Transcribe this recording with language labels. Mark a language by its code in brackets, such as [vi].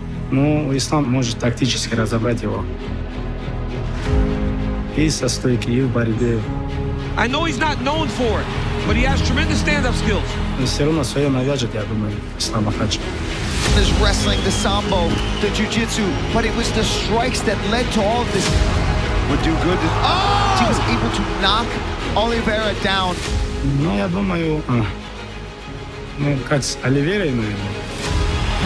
[ru] Ну, Ислам может тактически разобрать его. [en] I know he's not known for it, but he has tremendous stand-up skills. There's wrestling, the sambo, the jiu-jitsu, but it was the strikes that led to all of this. Would do good. He was able to knock Oliveira down. [ru] Ну, я думаю, ну, как с Оливерой, наверное.